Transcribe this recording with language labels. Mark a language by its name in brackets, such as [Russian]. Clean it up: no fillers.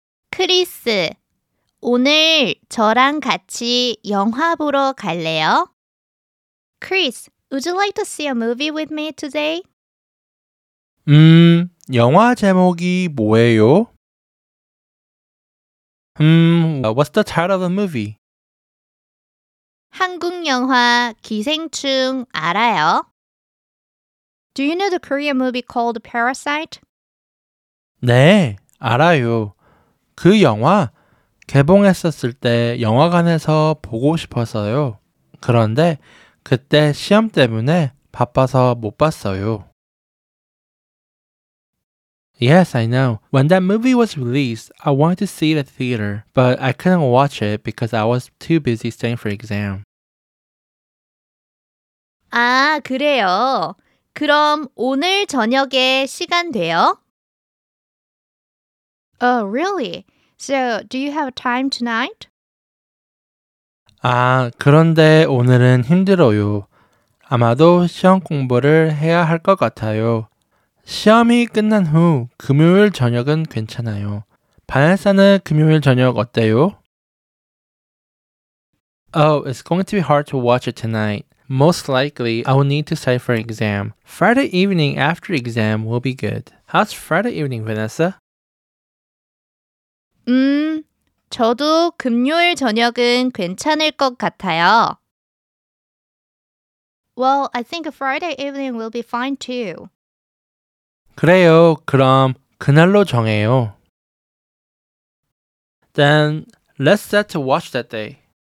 [Korean] 크리스, 오늘 저랑 같이 영화 보러 갈래요? [English] Chris, would you like to see a movie with me today? [Korean] 영화 제목이 뭐예요? [English] What's the title of the movie? [Korean] 한국 영화 기생충 알아요? [English] Do you know the Korean movie called Parasite? [Korean] 네, 알아요. 그 영화 개봉했었을 때 영화관에서 보고 싶었어요. 그런데 그때 시험 때문에 바빠서 못 봤어요. [English] Yes, I know. When that movie was released, I wanted to see it at the theater, but I couldn't watch it because I was too busy studying for exam. [Korean] 아, 그래요? 그럼 오늘 저녁에 시간 돼요? [English] Oh, really? So, do you have time tonight? [Korean] 아, 그런데 오늘은 힘들어요. 아마도 시험 공부를 해야 할 것 같아요. 시험이 끝난 후 금요일 저녁은 괜찮아요. 바네사는 금요일 저녁 어때요? [English] Oh, it's going to be hard to watch it tonight. Most likely, I will need to study for exam. Friday evening after exam will be good. How's Friday evening, Vanessa? [Korean] 저도 금요일 저녁은 괜찮을 것 같아요. [English] Well, I think Friday evening will be fine too. [Korean] 그래요. 그럼 그날로 정해요. [English] Then, let's set to watch that day.